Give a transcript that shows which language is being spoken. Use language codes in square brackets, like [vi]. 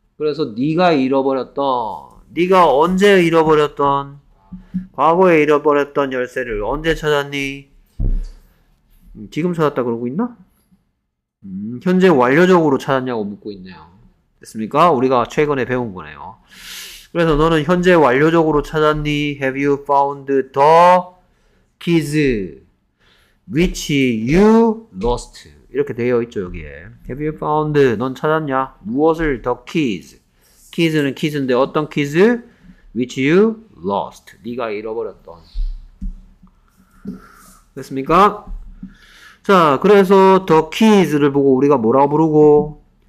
[ko] 그래서 네가 잃어버렸던 네가 언제 잃어버렸던 과거에 잃어버렸던 열쇠를 언제 찾았니? 지금 찾았다 그러고 있나? 현재 완료적으로 찾았냐고 묻고 있네요. 됐습니까? 우리가 최근에 배운 거네요. 그래서 너는 현재 완료적으로 찾았니? [en] Have you found the keys which you lost? [ko] 이렇게 되어 있죠, 여기에. [en] Have you found? [ko] 넌 찾았냐? 무엇을 [en] the keys? [ko] keys는 keys인데 어떤 keys? [en] which you lost. [ko] 네가 잃어버렸던. 됐습니까? 자, 그래서 the keys를 보고 우리가 뭐라고 부르고?